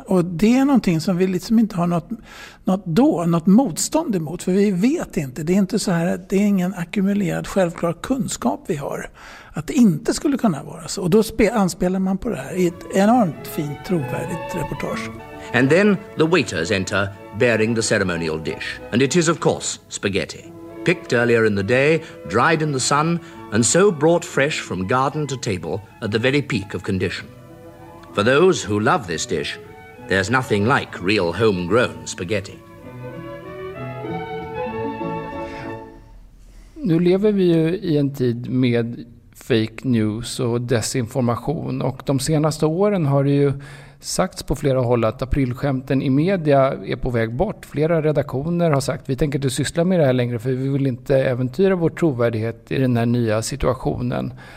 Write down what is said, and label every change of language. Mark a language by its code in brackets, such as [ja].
[sv] Och det är någonting som vi liksom inte har något motstånd emot. För vi vet inte. Det är inte så här, det är ingen ackumulerad självklar kunskap vi har. Att det inte skulle kunna vara så. Och då anspelar man på det här i ett enormt fint trovärdigt reportage. [en] And then the waiters enter bearing the ceremonial dish. And it is, of course, spaghetti. Picked earlier in the day, dried in the sun, and so brought fresh from garden to table at the very peak of condition. For those who love this dish, there's nothing like real homegrown spaghetti. [sv] Nu lever vi ju i en tid med fake news och desinformation. Och de senaste åren har det ju sagts på flera håll att aprilskämten i media är på väg bort. Flera redaktioner har sagt att vi tänker inte syssla med det här längre för vi vill inte äventyra vår trovärdighet i den här nya situationen.